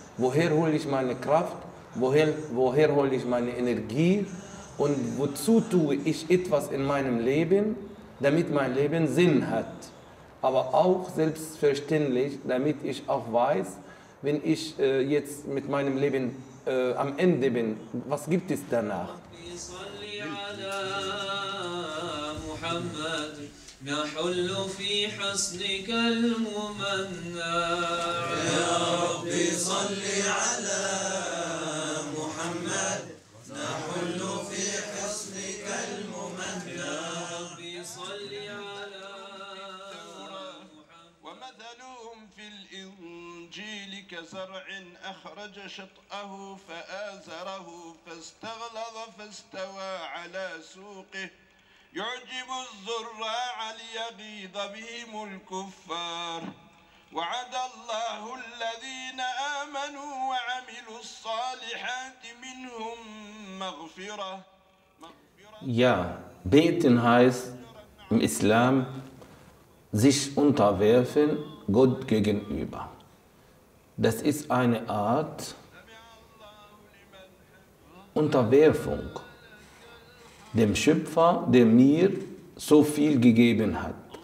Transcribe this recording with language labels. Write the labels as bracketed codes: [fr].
[de] Woher hole ich meine Kraft? Woher hole ich meine Energie? Und wozu tue ich etwas in meinem Leben? damit mein Leben Sinn hat. Aber auch selbstverständlich, damit ich auch weiß, wenn ich jetzt mit meinem Leben am Ende bin, was gibt es danach? [ar] نحل في حسنك الممنى يا ربي صل على محمد نحل في حسنك الممنى يا ربي صل على محمد ومثلهم في الإنجيل كزرع أخرج شطأه فآزره فاستغلظ فاستوى على سوقه يعجب الزراع ليغيظ بهم الكفار وعد الله الذين آمنوا وعملوا الصالحات منهم مغفرة [de] Ja, beten heißt im Islam sich unterwerfen Gott gegenüber. Das ist eine Art Unterwerfung dem Schöpfer, der mir so viel gegeben hat.